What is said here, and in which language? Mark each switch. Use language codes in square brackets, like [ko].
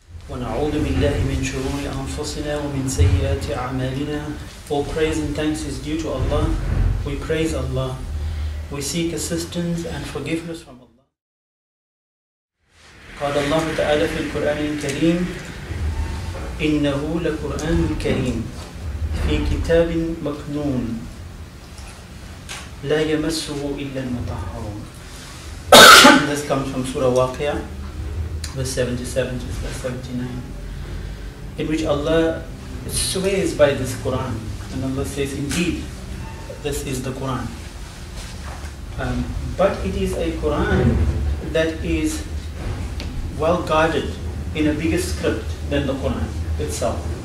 [ar] ونعوذ بالله من شرور أنفسنا ومن سيئات أعمالنا. [en] All praise and thanks is due to Allah. We praise Allah. We seek assistance and forgiveness from Allah. [ar] قال الله تعالى في القرآن الكريم إنه لقرآن الكريم في كتاب مكنون لا يمسه إلا المطهرون. [en] This comes from Surah Waqia, verse 77 to verse 79, in which Allah swears by this Quran, and Allah says, indeed, this is the Quran. But it is a Quran that is well guarded in a bigger script than the Quran itself.